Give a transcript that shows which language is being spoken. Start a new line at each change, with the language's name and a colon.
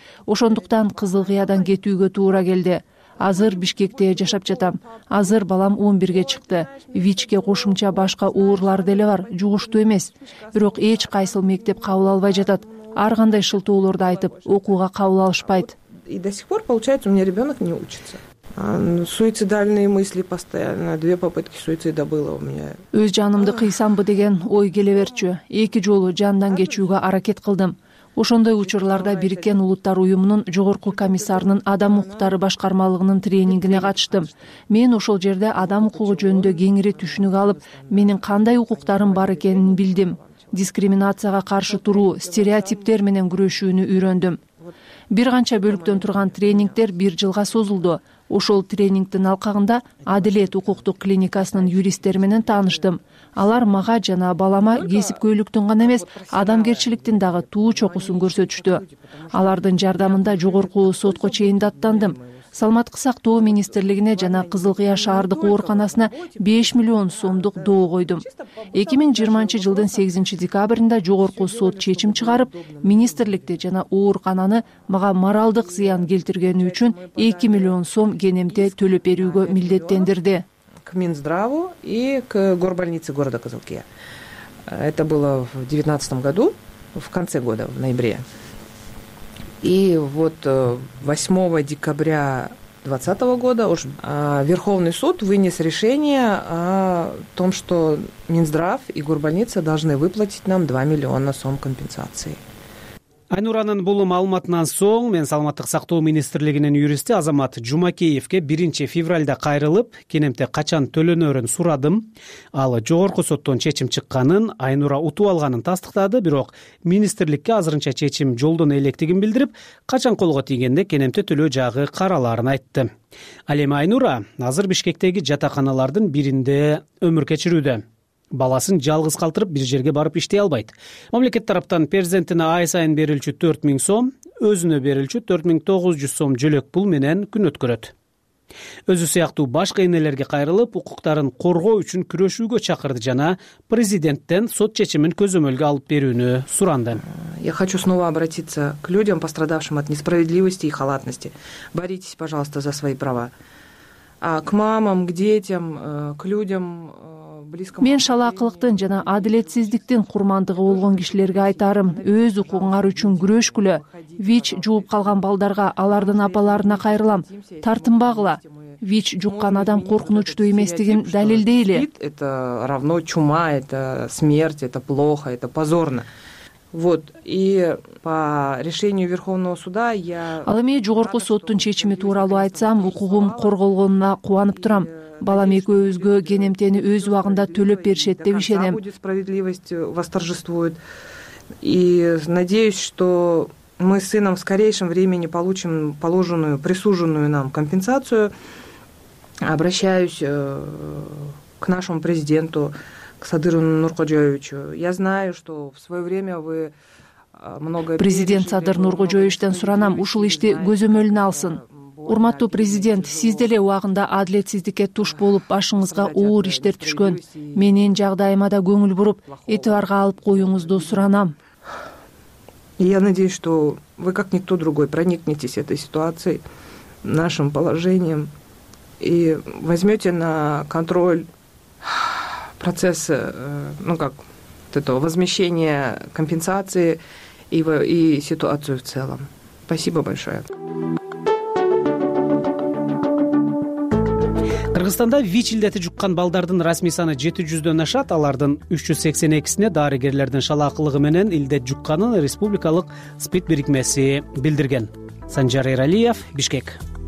Kyrgyz: Ошондуктан Кызыл Кыядан кетүүгө туура келди. Азыр Бишкекте жашап жатам. Азыр балам 11-ге чыкты. ВИЧке кошумча башка оорулар деле бар, жугуштуу эмес. Бирок эч кайсыл мектеп кабыл албай жатат. Ар кандай шылтоолорду айтып, окууга кабыл алышпайт.
Russian: И до сих пор получается, у меня ребёнок не учится. Суицидальные мысли постоянно. Две попытки суицида было у меня.
Kyrgyz: Өз жанымды кыйсамбы деген ой келе берчү. Эки жолу жандан кечүүгө аракет кылдым. Ошондой учурларда Бириккен Улуттар Уюмунун Жогорку комиссарынын адам укуктары башкармалыгынын тренингине катыштым. Мен ошол жерде адам укугу жөнүндө кеңири түшүнүк алып, менин кандай укуктарым бар экенин билдим. Дискриминацияга каршы туруу, стереотиптер менен күрөшүүнү үйрөндүм. Бир канча бөлүктөн турган тренингдер бир жылга созулду. Ошол тренингтин алкагында Адилет укуктук клиникасынын юристтери менен тааныштым. Алар мага жана балама кесипкөйлүктүн гана эмес, адамгерчиликтин дагы туу чокусун көрсөтүштү. Алардын жардамында жогорку сотко чейин даттандым. Саламат сактоо министрлигине жана Кызыл Кыя шаардык ооруканасына 5 миллион сомдук доо койдум. 2020 жылдын 8 декабрында жогорку сот чечим чыгарып, министрликте жана оорукананы мага моралдык зыян келтиргени үчүн 2 миллион сом кенемде төлөп берүүгө милдеттендирди.
Russian: К Минздраву и к горбольнице города Кызыл Кыя. Это было в 2019 году, в конце года, в ноябре. И вот 8 декабря 2020 года уже Верховный суд вынес решение о том, что Минздрав и горбольница должны выплатить нам 2 миллиона сом компенсации.
Kyrgyz: Айнуранын бул маалыматынан соң мен саламаттык сактоо министрлигинин юристи Азамат Жумакеевке 1-февралда кайрылып, кенемте качан төлөнөрүн сурадым. Ал жогорку соттон чечим чыкканын, Айнура утуп алганын тастыктады, бирок министрликке азырынча чечим жолдон электигин билдирип, качан колго тийгенде кенемте төлөө жагы каралаарын айтты. Ал эми Айнура азыр Бишкектеги жатаканалардын биринде өмүр кечирүүдө. Баласын жалгыз калтырып бир жерге барып иштей албайт. Мамлекет тараптан перзентине ай сайын берилчү 4000 сом, өзүнө берилчү 4900 сом жөлөк пул менен күн өткөрөт. Өзү сыяктуу башка энелерге кайрылып, укуктарын коргоо үчүн күрөшүүгө чакырды жана президенттен сот чечимин көзөмөлгө алып берүүнү суранды.
Russian: Я хочу снова обратиться к людям, пострадавшим от несправедливости и халатности. Боритесь, пожалуйста, за свои права. А к мамам, к детям, к людям
Kyrgyz: Мен шалаакылыктын жана адилетсиздиктин курмандыгы болгон кишилерге айтарым, өз укугуңар үчүн күрөшкүлө. ВИЧ жугуп калган балдарга, алардын апаларына кайрылам. Тартынбагыла. ВИЧ жуккан адам коркунучтуу эместигин далилдейли.
Russian: Это равно чума, это смерть, это плохо, это позорно. Вот, и по решению Верховного суда я
Kyrgyz: Ал эми жогорку соттун чечими тууралуу айтсам, укугум корголгонуна кубанып турам. Балам экөөбүзгө кенемтени өз убагында төлөп беришет деп ишенем.
Russian: Справедливость восторжествует. И надеюсь, что мы с сыном в скорейшем времени получим положенную, присуженную нам компенсацию. Обращаюсь к нашему президенту, к Садыру Нуркожоевичу. Я знаю, что в свое время вы много
Kyrgyz: Президент Садыр Нуркожоевичтен суранам, ушул ишти көзөмөлүнө алсын. Урматтуу президент, сиз деле убагында адилетсиздикке туш болуп, башыңызга оор иштер түшкөн. Менин жагдайыма да көңүл буруп, этибарга алып коюңузду суранам.
Russian: Я надеюсь, что вы, как никто другой, проникнетесь этой ситуацией, нашим положением, и возьмете на контроль процесс, ну как, вот этого возмещения компенсации и ситуацию в целом. Спасибо большое.
Kyrgyz: Кыргызстанда ВИЧ илдети жуккан балдардын расмий саны 700-дөн ашат, алардын 382-сине дарыгерлердин шалаакылыгы менен илдет жукканын республикалык СПИД бирикмеси билдирген. Санжар Эралиев, Бишкек.